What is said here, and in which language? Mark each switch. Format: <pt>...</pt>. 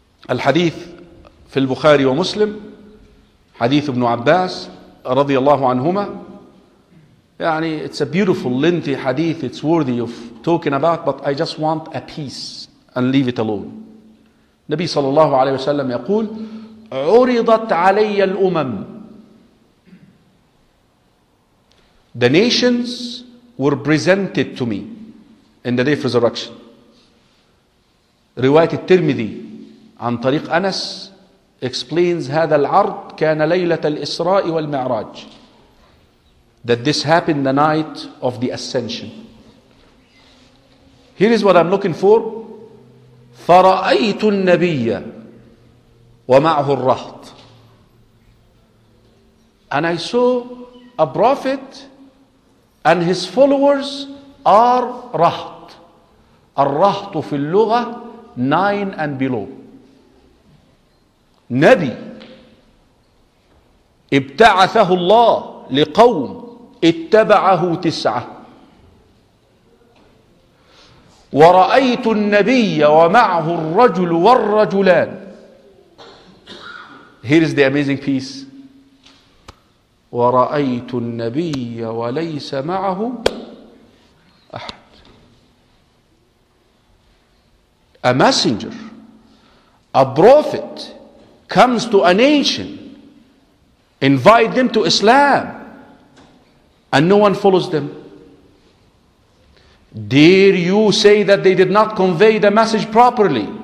<ar>الحديث في البخاري ومسلم حديث ابن عباس رضي الله عنهما. يعني</ar> <en>it's a beautiful lengthy حديث, it's worthy of talking about, but I just want a piece and leave it alone.</en> <ar>النبي صلى الله عليه وسلم يقول عرضت علي الأمم.</ar> <en>The nations were presented to me in the day of resurrection.</en> <ar>رواية الترمذي عن طريق أنس</ar> <en>explains</en> <ar>هذا العرض كان ليلة الإسراء والمعراج.</ar> <en>That this happened the night of the ascension. Here is what I'm looking for.</en> <ar>فرأيت النبي ومعه الرهط.</ar> <en>And I saw a prophet and his followers are رهط.</en> <ar>الرهط في اللغة 9 and below. نبي ابتعثه الله لقوم اتبعه 9. ورأيت النبي ومعه الرجل والرجلان.</ar> <en>Here is the amazing piece.</en> <ar>ورأيت النبي وليس معه أحد.</ar> <en>A messenger, a prophet comes to a nation, invite them to Islam, and no one follows them. Dare you say that they did not convey the message properly?</en>